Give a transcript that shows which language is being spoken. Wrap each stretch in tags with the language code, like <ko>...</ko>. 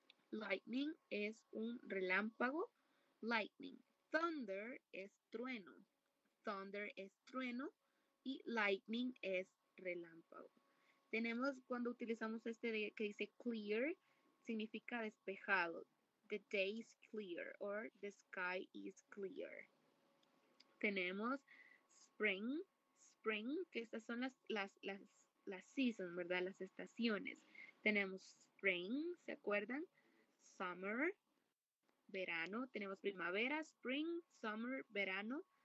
<es>Lightning es un relámpago. Lightning. Thunder es trueno. thunder es trueno y lightning es relámpago. Tenemos cuando utilizamos este de, que dice clear, significa despejado.</es> <en>The day is clear or the sky is clear.</en> <es>Tenemos spring, que estas son las seasons, ¿verdad? Las estaciones. Tenemos spring, ¿se acuerdan? Summer, verano. Tenemos primavera, spring, summer, verano.</es>